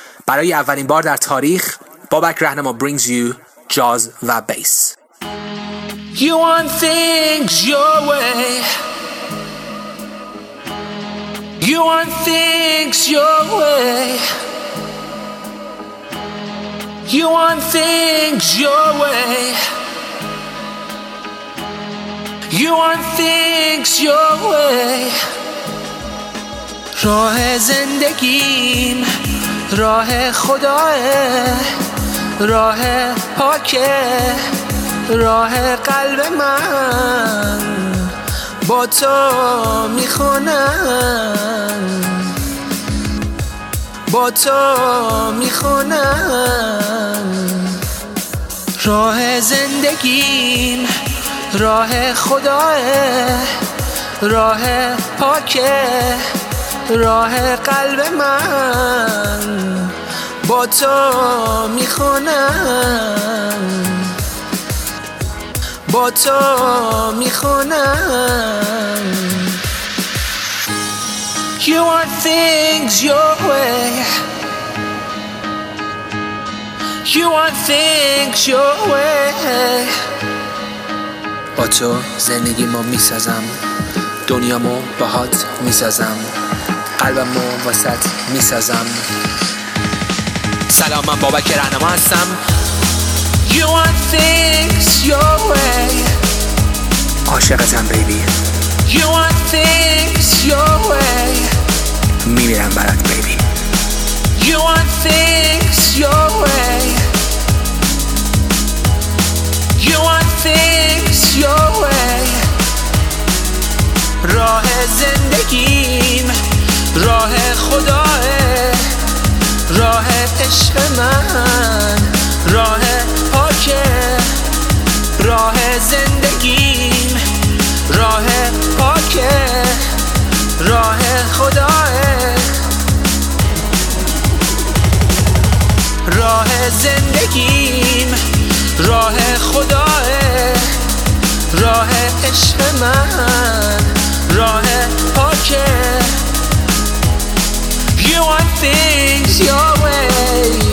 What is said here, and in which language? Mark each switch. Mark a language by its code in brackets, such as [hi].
[fa] برای اولین بار در تاریخ بابک رهنما [en] brings you jazz [fa] و bass. [en] You want things your way. You want things your way. You want things your way. You want things your way. [fa] راه زندگیم راه خداه، راه پاکه، راه قلب من با تو میخونم، با تو میخونم. راه زندگیم راه خداه، راه پاکه، راه قلب من با تو میخونم، با تو میخونم. [en] You want things your way. You want things your way. [fa] با تو زندگی ما میسازم، دنیا ما باهات میسازم، قلبم رو وسط میسازم. سلام، من بابک رهنما هستم. [en] You want things your way. [fa] عاشقتم بیبی. [en] You want things your way. [fa] میمیرم برات بیبی. [en] You want things your way. You want things your way. [fa] راه زندگیم راه خداه، راه عشق من، راه پاکه، راه زندگیم، راه پاکه، راه خداه، راه زندگیم، راه خداه، راه عشق من، راه پاکه. [en] You want things your way.